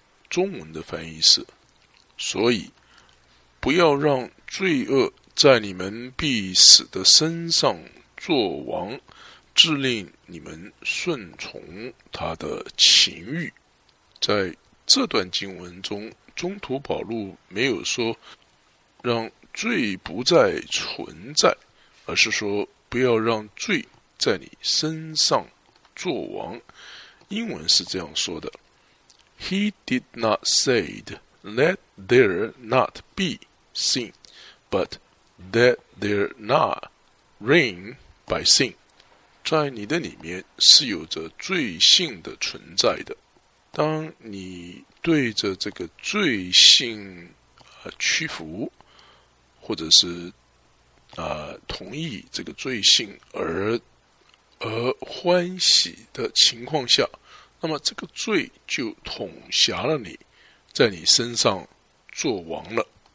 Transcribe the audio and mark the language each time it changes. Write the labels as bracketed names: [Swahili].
[Chinese] 中文的翻译是，所以不要让罪恶在你们必死的身上作王，致令你们顺从他的情欲。在这段经文中，中途保禄没有说让罪不再存在，而是说不要让罪在你身上作王。英文是这样说的， [English] He did not say let there not be sin, but let there not reign by sin。 [Chinese] 在你的里面是有着罪性的存在的，当你对着这个罪性屈服，或者是同意这个罪性而欢喜的情况下，那么这个罪就统辖了你，在你身上作王了。